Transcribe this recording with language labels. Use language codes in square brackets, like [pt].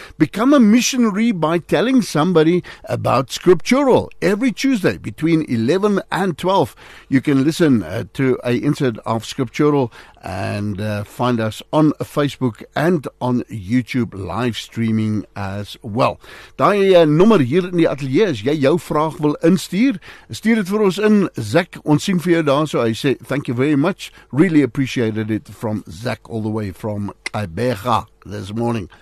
[en] Become a missionary by telling somebody about Scriptural every Tuesday between 11 and 12. You can listen to an insert of Scriptural and find us on Facebook and on YouTube live streaming as well. [af] Daai nommer hier in die ateljee as jy jou vraag wil instuur, stuur dit vir ons in. Zach, ons sien vir jou daar. So hy sê, [en] thank you very much. Really appreciated it from Zach all the way from Iberga this morning.